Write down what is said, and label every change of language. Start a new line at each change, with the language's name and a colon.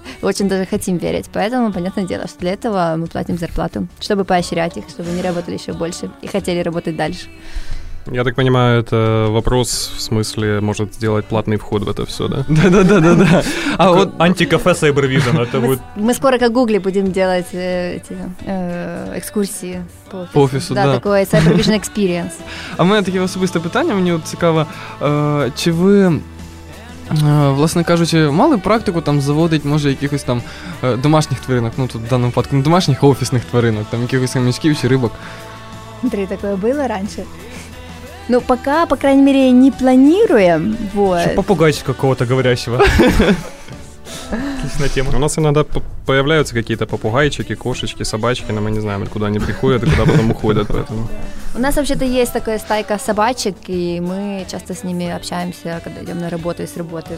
Russian: Очень даже хотим верить, поэтому, понятное дело, что для этого мы платим зарплату, чтобы поощрять их, чтобы они работали еще больше и хотели работать дальше. Я так понимаю, это вопрос, в смысле, может сделать платный вход в это все, да? Да-да-да-да-да. А вот антикафе CyberVision, это будет... Мы скоро как Гугли будем делать эти экскурсии по офису. Да, такой CyberVision Experience.
Ukrainian: А у меня таке особисте питання, мені от цікаво, чи ви... власне кажучи, мали практику там заводить, може, якихось там домашніх тваринок, ну тут в даному випадку, не домашніх, а офісних тваринок, там якихось хомячків чи рибок? Три, таке було раніше?
Russian: Ну, пока, по крайней мере, не планируем, вот. Еще попугайчик какого-то говорящего. Отличная тема. У нас иногда появляются какие-то попугайчики, кошечки, собачки, но мы не знаем, куда они приходят и куда потом уходят, поэтому... У нас вообще-то есть такая стайка собачек, и мы часто с ними общаемся, когда идем на работу и с работы.